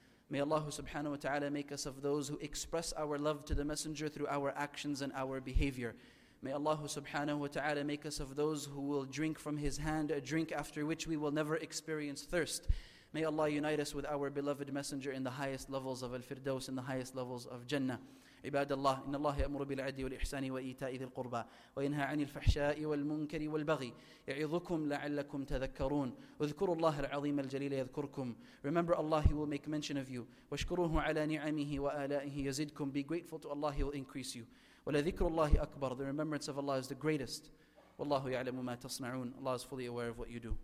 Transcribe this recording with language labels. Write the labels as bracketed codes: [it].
[en] May Allah subhanahu wa ta'ala make us of those who express our love to the Messenger through our actions and our behavior. May Allah subhanahu wa ta'ala make us of those who will drink from His hand, a drink after which we will never experience thirst. May Allah unite us with our beloved Messenger in the highest levels of Al-Firdaus, in the highest levels of Jannah. [ar] عباد الله إن الله يأمر بالعدل والإحسان وإيتاء ذي القربى وينهى عن الفحشاء والمنكر والبغي يعظكم لعلكم تذكرون اذكروا الله العظيم الجليل يذكركم. [en] Remember Allah, He will make mention of you. [ar] واشكروه على نعمه وآلائه يزدكم. [en] Be grateful to Allah, He will increase you. [ar] ولذكر الله أكبر. [en] The remembrance of Allah is the greatest. [ar] والله يعلم ما تصنعون. [en] Allah is fully aware of what you do.